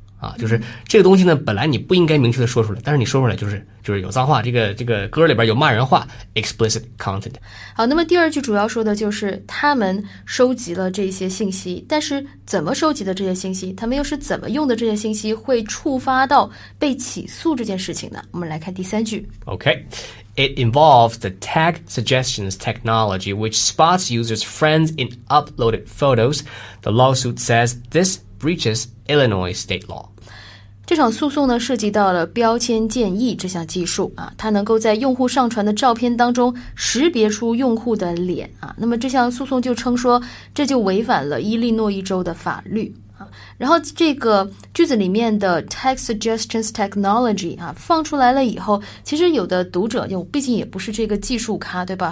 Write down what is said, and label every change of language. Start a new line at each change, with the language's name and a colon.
Chinese: 啊，就是这个东西呢，本来你不应该明确的说出来，但是你说出来就是有脏话，这个歌里边有骂人话 ，
English: explicit content。
Chinese: 好，那么第二句主要说的就是他们收集了这些信息，但是怎么收集的这些信息，他们又是怎么用的这些信息，会触发到被起诉这件事情呢？我们来看第三句。
English: OK. It involves the tag suggestions technology, which spots users' friends in uploaded photos. The lawsuit says this breaches Illinois state law.
Chinese: 这场诉讼呢，涉及到了标签建议这项技术啊，它能够在用户上传的照片当中识别出用户的脸啊。那么这项诉讼就称说，这就违反了伊利诺伊州的法律。然后这个句子里面的 tag suggestions technology 啊，放出来了以后，其实有的读者就毕竟也不是这个技术咖，对吧？